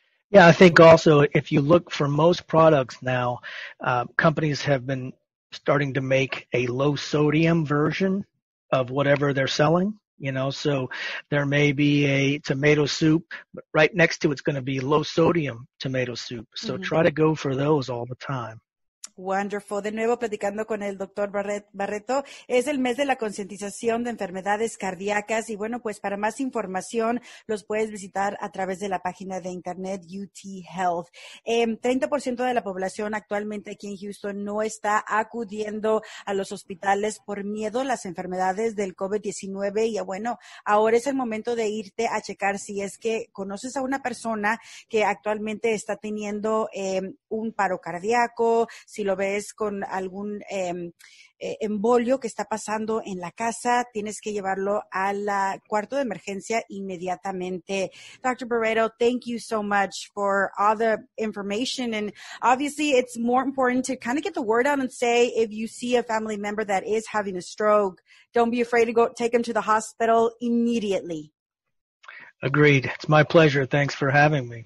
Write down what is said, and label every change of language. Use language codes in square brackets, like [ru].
[en] Yeah, I think also if you look for most products now, companies have been starting to make a low sodium version of whatever they're selling, you know, so there may be a tomato soup, but right next to it's going to be low sodium tomato soup. So try to go for those all the time. Wonderful. [es] De nuevo, platicando con el doctor Barreto, es el mes de la concientización de enfermedades cardíacas. Y bueno, pues para más información, los puedes visitar a través de la página de internet UT Health. 30% de la población actualmente aquí en Houston no está acudiendo a los hospitales por miedo a las enfermedades del COVID-19. Y bueno, ahora es el momento de irte a checar si es que conoces a una persona que actualmente está teniendo un paro cardíaco, si lo ves con algún embolio que está pasando en la casa, tienes que llevarlo al cuarto de emergencia inmediatamente. [en] Dr. Barreto, thank you so much for all the information. And obviously, it's more important to kind of get the word out and say, if you see a family member that is having a stroke, don't be afraid to go take them to the hospital immediately. Agreed. It's my pleasure. Thanks for having me.